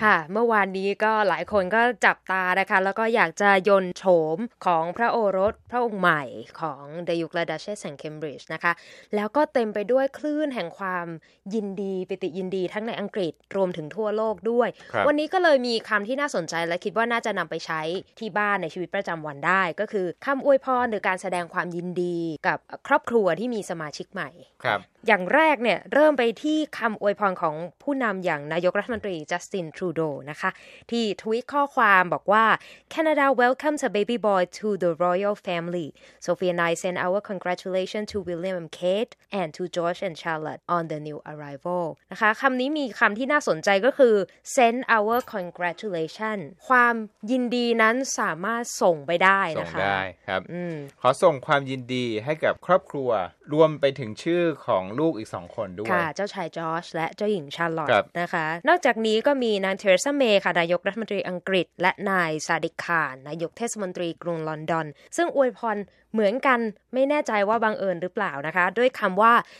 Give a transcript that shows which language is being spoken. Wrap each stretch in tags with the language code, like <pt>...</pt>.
<th>ค่ะเมื่อวานนี้ก็หลายคนก็จับตานะคะแล้วก็อยากจะยนโฉมของพระโอรสพระองค์ใหม่ของเดยุกลาดัชเชสแห่งเคมบริดจ์นะคะแล้วก็เต็มไปด้วยคลื่นแห่งความยินดีปิติยินดีทั้งในอังกฤษรวมถึงทั่วโลกด้วยวันนี้ก็เลยมีคำที่น่าสนใจและคิดว่าน่าจะนำไปใช้ที่บ้านในชีวิตประจำวันได้ก็คือคำอวยพรหรือการแสดงความยินดีกับครอบครัวที่มีสมาชิกใหม่ครับ อย่างแรกเนี่ยเริ่มไปที่คำอวยพรของผู้นำอย่างนายกรัฐมนตรีจัสตินทรูโดนะคะที่ทวีตข้อความบอกว่า</th> <en>Canada welcomes a baby boy to the royal family. Sophie and I send our congratulations to William and Kate and to George and Charlotte on the new arrival.</en> <th>นะคะคำนี้มีคำที่น่าสนใจก็คือ</th> <en>send our congratulations</en> <th>ความยินดีนั้นสามารถส่งไปได้นะคะ ส่งได้ครับขอส่งความยินดีให้กับครอบครัวรวมไปถึงชื่อของลูกอีก2คนด้วย ค่ะเจ้าชายจอร์จและเจ้าหญิงชาร์ลอตนะคะนอกจากนี้ก็มีนางเทเรซาเมย์ค่ะนายกรัฐมนตรีอังกฤษและนายซาดิกคานนายกเทศมนตรีกรุงลอนดอนซึ่งอวยพรเหมือนกันไม่แน่ใจว่าบังเอิญหรือเปล่านะคะด้วยคำว่า</th>